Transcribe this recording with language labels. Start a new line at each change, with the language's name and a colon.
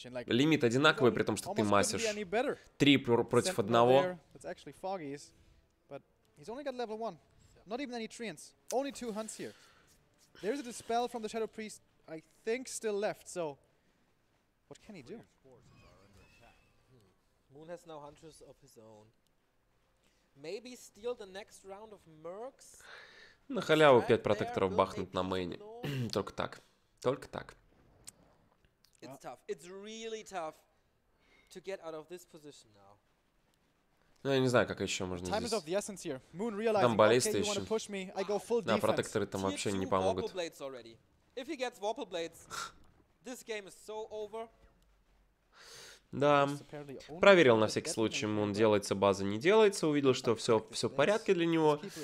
Russian: Лимит одинаковый, при том, что ты масишь. Три против одного.
English: Foggy's, but he's only got level one. Not even any treants. Only two hunts here. There's a dispel from the Shadow Priest, I think, still left, so what can he do? Moon has now Huntress of his own. Maybe steal the next round of Mercs?
Russian: На халяву 5 протекторов бахнут на мейне. Только так. Только так.
English: It's tough. It's really tough to get out of this position now.
Russian: Ну, я не знаю, как еще можно
English: time
Russian: здесь.
English: Time is of the essence here. Moon realizing,
Russian: там баллисты еще.
English: Okay, push me, I go full defense.
Russian: Да, протекторы там вообще не помогут.
English: Warple Blades already. If he gets Warple Blades, this game is so over.
Russian: Да, проверил на всякий случай, Moon делается, база не делается, увидел, что все в порядке для него.